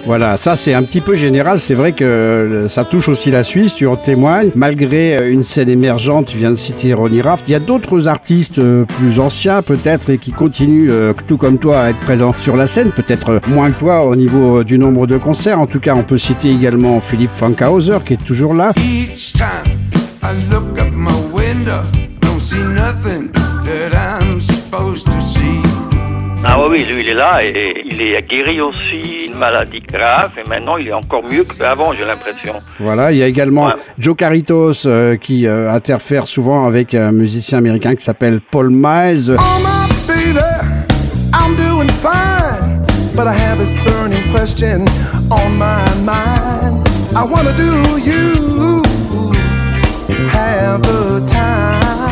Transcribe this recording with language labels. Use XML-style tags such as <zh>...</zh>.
<fr>Voilà, ça c'est un petit peu général. C'est vrai que ça touche aussi la Suisse, tu en témoignes. Malgré une scène émergente, tu viens de citer Ronnie Raft. Il y a d'autres artistes plus anciens peut-être et qui continuent tout comme toi à être présents sur la scène. Peut-être moins que toi au niveau du nombre de concerts. En tout cas, on peut citer également Philipp Funkhauser, qui est toujours là.</fr> <en>Each time I look up my window, don't see nothing that I'm supposed to see.</en> <fr>Ah oui, lui, il est là et il est guéri aussi, une maladie grave, et maintenant il est encore mieux qu'avant, j'ai l'impression. Voilà, il y a également Joe Caritos qui interfère souvent avec un musicien américain qui s'appelle Paul Mize.</fr> <en>Oh my baby, I'm doing fine, but I have this burning question on my mind. I wanna do you have a time.</en>